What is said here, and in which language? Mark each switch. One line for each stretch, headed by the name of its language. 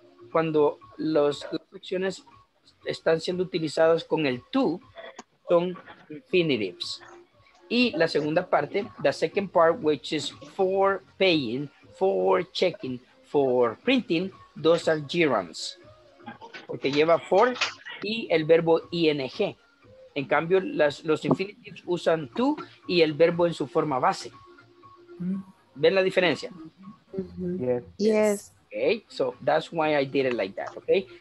Spanish: Cuando las opciones están siendo utilizadas con el to, son infinitives. Y la segunda parte,
English: the second part, which is for paying, for checking, for printing, those are gerunds.
Spanish: Porque lleva for y el verbo ing. En cambio, los infinitives usan tú y el verbo en su forma base. ¿Ven la diferencia?
English: Mm-hmm. Yes. Yes. Okay, so that's why I did it like that, okay?